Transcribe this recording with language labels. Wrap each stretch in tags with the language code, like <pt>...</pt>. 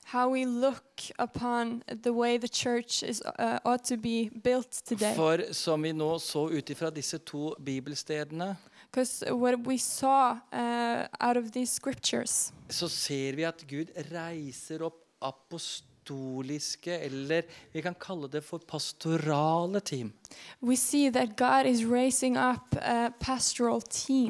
<en>how we look upon the way the church is ought to be built today.</en> <no>For som vi nå så utifra disse to bibelstedene,</no> <en>because what we saw out of these scriptures,</en> <no>så ser vi at Gud reiser opp apostoliske, eller vi kan kalle det for pastorale team.</no> <en>We see that God is raising up pastoral teams.</en>